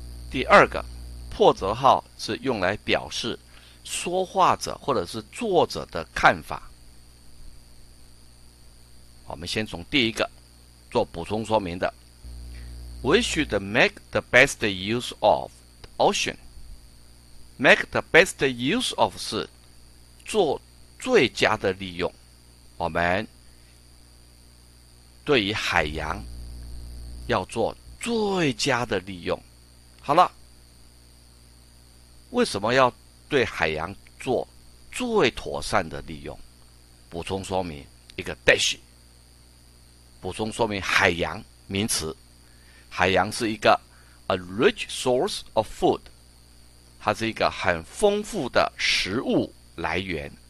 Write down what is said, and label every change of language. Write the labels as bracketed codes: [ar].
[zh] 第二个，破折号是用来表示说话者或者是作者的看法。我们先从第一个做补充说明的。 [en] We should make the best use of the ocean. Make the best use of [zh] 是做最佳的利用。我们对于海洋要做最佳的利用。好了，为什么要对海洋做最妥善的利用？补充说明，一个 dash。补充说明，海洋名词，海洋是一个 [en] a rich source of food， [zh] 它是一个很丰富的食物来源。